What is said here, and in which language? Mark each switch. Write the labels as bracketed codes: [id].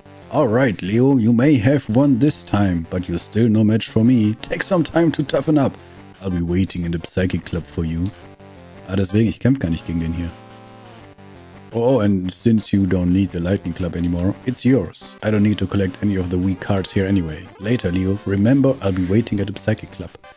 [en] Alright, Leo, you may have won this time, but you're still no match for me. Take some time to toughen up. I'll be waiting in the Psychic Club for you. [de] Ah, deswegen, ich kämpfe gar nicht gegen den hier. [en] Oh, and since you don't need the Lightning Club anymore, it's yours. I don't need to collect any of the weak cards here anyway. Later, Leo. Remember, I'll be waiting at the Psychic Club.